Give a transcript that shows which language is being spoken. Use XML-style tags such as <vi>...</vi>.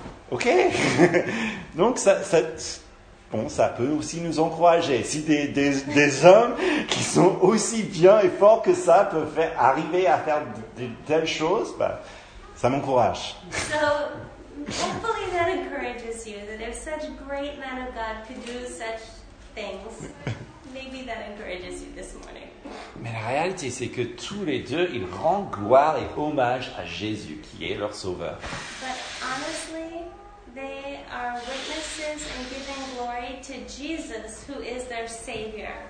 <fr>Ok. Donc, ça, bon, ça peut aussi nous encourager. Si des hommes qui sont aussi bien et forts que ça peuvent arriver à faire de telles choses, bah, ça m'encourage.</fr> <en>So, hopefully that encourages you, that if such great men of God could do such things, maybe that encourages you this morning.</en> <fr>Mais la réalité, c'est que tous les deux, ils rendent gloire et hommage à Jésus, qui est leur sauveur.</fr> <en>But honestly, they are witnesses and giving glory to Jesus, who is their savior.</en>